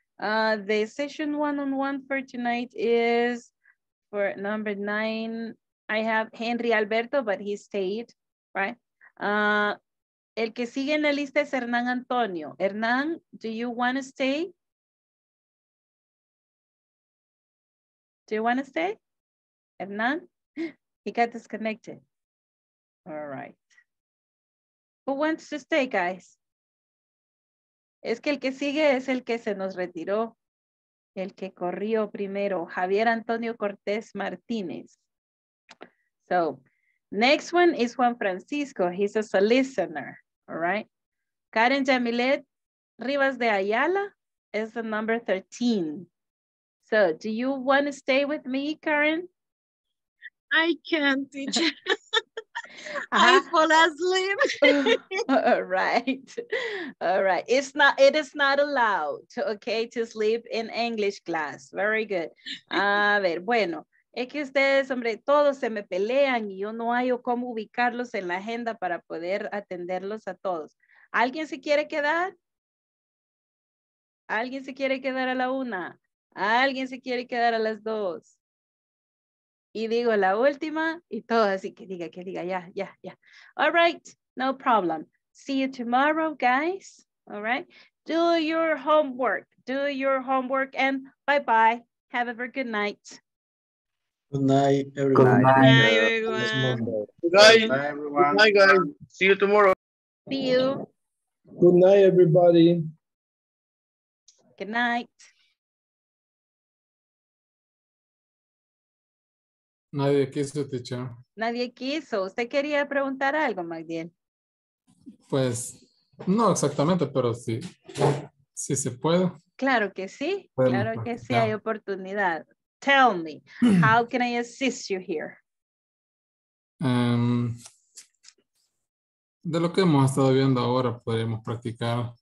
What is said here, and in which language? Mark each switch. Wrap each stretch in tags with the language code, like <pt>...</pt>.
<en>The session one-on-one for tonight is for number 9. I have Henry Alberto, but he stayed, right?</en> <es>El que sigue en la lista es Hernán Antonio.</es> <en>Hernán, do you want to stay? Do you want to stay? Hernán? He got disconnected. All right. Who wants to stay, guys?</en> <es>Es que el que sigue es el que se nos retiró. El que corrió primero. Javier Antonio Cortés Martínez.</es> <en>So, next one is Juan Francisco. He's just a listener. All right. Karen Yamilet Rivas de Ayala. is the number 13. So do you want to stay with me, Karen? I can't, teacher. I fall asleep. All right. It is not allowed, okay, to sleep in English class. Very good.</en> <es>A ver, bueno, es que ustedes, hombre, todos se me pelean y yo no hallo cómo ubicarlos en la agenda para poder atenderlos a todos. ¿Alguien se quiere quedar? ¿Alguien se quiere quedar a la una? ¿Alguien se quiere quedar a las dos? Y digo la última y todo así que diga, ya.</es> <en>All right, no problem. See you tomorrow, guys. All right, do your homework and bye-bye. Have a very good night. Good night, everyone. Good night, everyone. Good night, everyone. Good night, everyone. Good night, guys. See you tomorrow. See you. Good night, everybody. Good night.</en> <es>Nadie quiso, teacher. Nadie quiso. ¿Usted quería preguntar algo, Magdiel? Pues, no exactamente, pero sí. Sí se puede. Claro que sí. Bueno, claro que sí, ya. Hay oportunidad.</es> <en>Tell me, how can I assist you here?</en> <es>De lo que hemos estado viendo ahora, podríamos practicar.</es>